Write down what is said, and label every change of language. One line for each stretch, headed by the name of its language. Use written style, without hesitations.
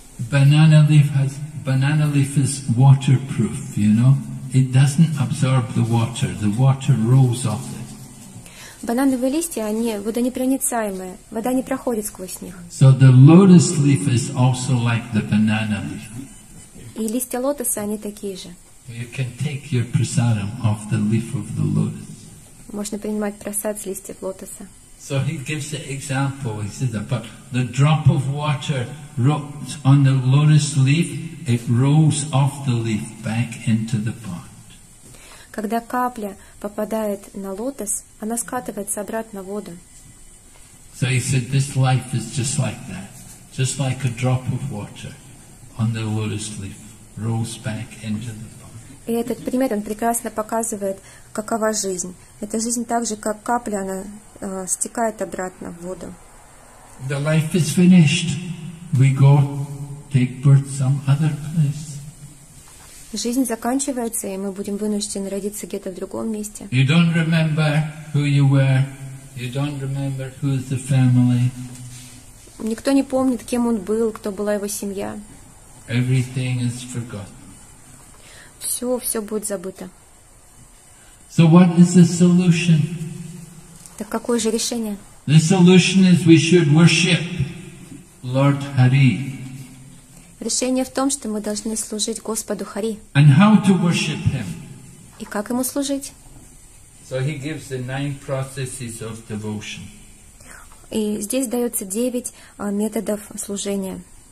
English: Banana leaf has banana leaf is waterproof, you know. It doesn't absorb the water. The water rolls off it.
Russian: Банановые листья, они водонепроницаемые, вода не проходит сквозь них.
English: So the lotus leaf is also like the banana leaf.
Russian: И листья лотоса, они такие же.
English: You can take your prasadam off the leaf of the lotus.
Russian: Можно принимать просад с листьев лотоса.
English: So he gives the example, he says that, but the drop of water on the lotus leaf, it rolls off the leaf back into the pond.
Russian: Когда капля попадает на лотос, она скатывается обратно в воду.
English: So he said, this life is just like that. Just like a drop of water on the lotus leaf rolls back into the pond.
Russian: И этот пример, он прекрасно показывает, какова жизнь. Эта жизнь так же, как капля, она стекает обратно в воду.
English: The life is finished. We go take birth some other place.
Russian: Жизнь заканчивается, и мы будем вынуждены родиться где-то в другом месте.
English: You don't remember who you were. You don't remember who is the family.
Russian: Никто не помнит, кем он был, кто была его семья.
English: Everything is forgotten.
Russian: Все будет забыто.
English: So what is the solution?
Russian: Так какое же решение?
English: The solution is we should worship Lord Hari.
Russian: Решение в том, что мы должны служить Господу Хари.
English: And how to worship him?
Russian: И как ему служить?
English: So he gives the 9 processes of devotion.
Russian: И здесь дается 9 методов служения.